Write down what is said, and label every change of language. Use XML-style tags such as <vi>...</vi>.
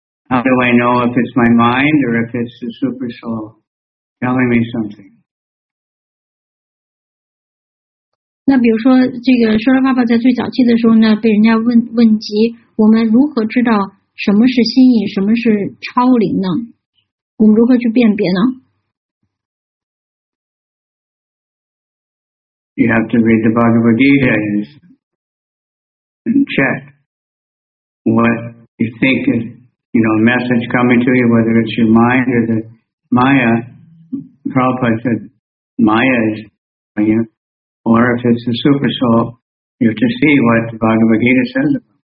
<en>How do I know if it's my mind or if it's the super soul telling me something?</en> <zh>那比如说这个舍勒爸爸在最早期的时候呢被人家问及我们如何知道什么是心意什么是超灵呢我们如何去辨别呢</zh> <en>You have to read the Bhagavad Gita and check what you think is, you know, a message coming to you, whether it's your mind or the Maya. Prabhupada said, Maya is, you know,Or if it's the super soul, you have to see what the Bhagavad Gita says about.</en>